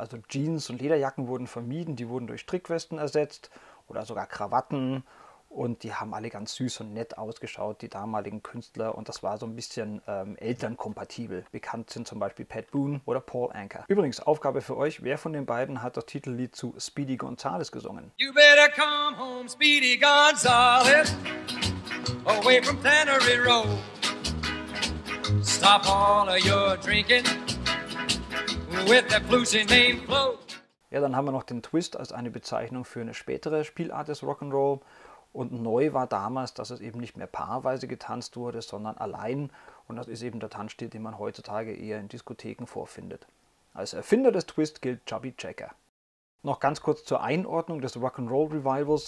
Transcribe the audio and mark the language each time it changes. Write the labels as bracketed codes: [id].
[de] Also Jeans und Lederjacken wurden vermieden, die wurden durch Strickwesten ersetzt oder sogar Krawatten. Und die haben alle ganz süß und nett ausgeschaut, die damaligen Künstler. Und das war so ein bisschen elternkompatibel. Bekannt sind zum Beispiel Pat Boone oder Paul Anka. Übrigens, Aufgabe für euch, wer von den beiden hat das Titellied zu Speedy Gonzales gesungen? [en] You better come home, Speedy Gonzales, away from Tannery Road. Stop all of your drinking with that flusy name float. [de] Ja, dann haben wir noch den Twist als eine Bezeichnung für eine spätere Spielart des Rock'n'Roll. Und neu war damals, dass es eben nicht mehr paarweise getanzt wurde, sondern allein. Und das ist eben der Tanzstil, den man heutzutage eher in Diskotheken vorfindet. Als Erfinder des Twist gilt Chubby Checker. Noch ganz kurz zur Einordnung des Rock'n'Roll Revivals.